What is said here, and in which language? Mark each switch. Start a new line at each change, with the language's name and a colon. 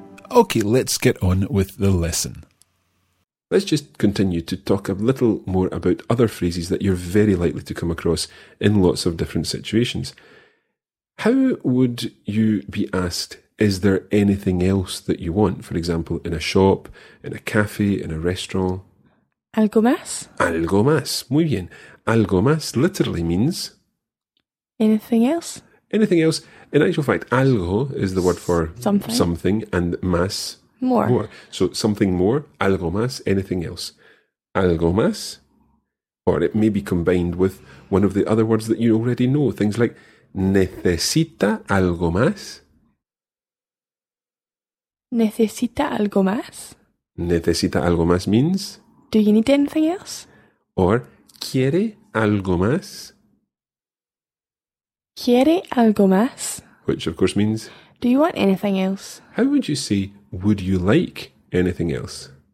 English: Okay, let's get on with the lesson. Let's just continue to talk a little more about other phrases that you're very likely to come across in lots of different situations. How would you be asked, is there anything else that you want? For example, in a shop, in a cafe, in a restaurant.
Spanish: ¿Algo más? Algo más. Muy bien. Algo más
English: literally means... anything else? Anything else. In actual fact, algo is the word for something, something and más, more. So something more,
Spanish: algo más,
English: anything else.
Spanish: Algo más,
English: or it may be combined with one of the other words that you already know. Things like,
Spanish: necesita algo más. Necesita algo más. Necesita algo más
English: means? Do you need anything else? Or,
Spanish: quiere algo más. ¿Quiere algo más?
English: Which, of course, means... do you want anything else? How would you say, would you like anything else?